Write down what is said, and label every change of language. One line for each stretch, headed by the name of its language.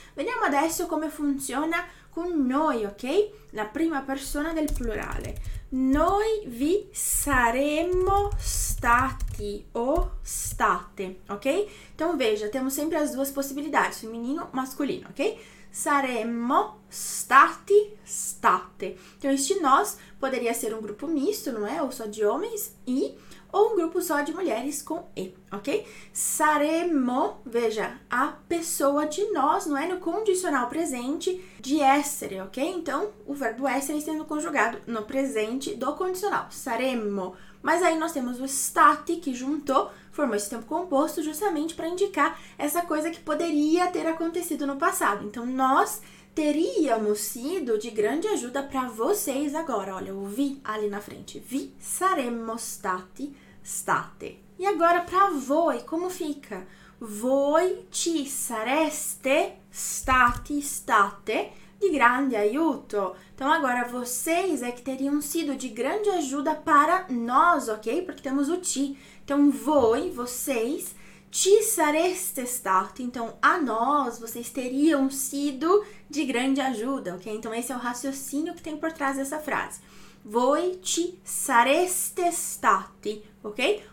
Italian: Vediamo adesso come funziona con noi, ok? La prima persona del plurale. Noi vi saremmo stati o state, ok?
Portuguese: Então, veja, temos sempre as duas possibilidades, feminino, masculino, ok?
Italian: Saremmo stati, state.
Portuguese: Então, este nós poderia ser um grupo misto, não é? Ou só de homens e, ou um grupo só de mulheres com e, ok? Saremmo, veja, a pessoa de nós, não é? No condicional presente de essere, ok? Então, o verbo essere sendo conjugado no presente do condicional. Saremmo. Mas aí nós temos o stati que juntou, formou esse tempo composto justamente para indicar essa coisa que poderia ter acontecido no passado. Então, nós teríamos sido de grande ajuda para vocês agora. Olha, o vi ali na frente.
Italian: Vi saremmo stati, state.
Portuguese: E agora para voi, como fica?
Italian: Voi ci sareste stati, state, de grande aiuto.
Portuguese: Então agora vocês é que teriam sido de grande ajuda para nós, ok? Porque temos o ti.
Italian: Então voi, vocês, ci sareste stati.
Portuguese: Então a nós vocês teriam sido de grande ajuda, ok? Então esse é o raciocínio que tem por trás dessa frase.
Italian: Voi ci sareste stati,
Portuguese: ok?